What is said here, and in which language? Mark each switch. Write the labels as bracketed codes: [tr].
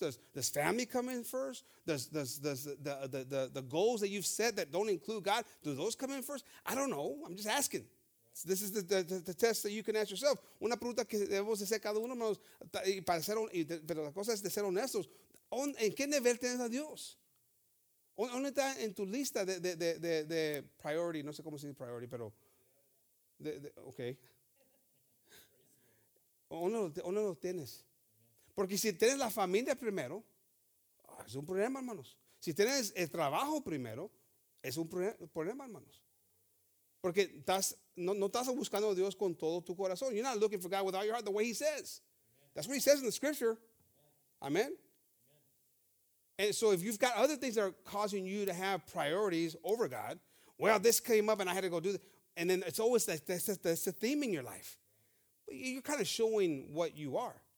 [en] Does family come in first? Does the goals that you've set that don't include God, do those come in first? I don't know. I'm just asking. This is the test that you can ask yourself. [es] Una pregunta que debemos hacer cada uno, hermanos, para ser, pero la cosa es de ser honestos. ¿En qué nivel tienes a Dios? ¿Dónde está en tu lista de priority? No sé cómo se dice priority, pero... okay. ¿Dónde lo tienes? Porque si tienes la familia primero, es un problema, hermanos. Si tienes el trabajo primero, es un problema, hermanos. Porque no estás buscando a Dios con todo tu corazón. [en] You're not looking for God with all your heart, the way he says. That's what he says in the scripture. Amen. And so if you've got other things that are causing you to have priorities over God, well, this came up and I had to go do this. And then it's always that's the theme in your life. But you're kind of showing what you are.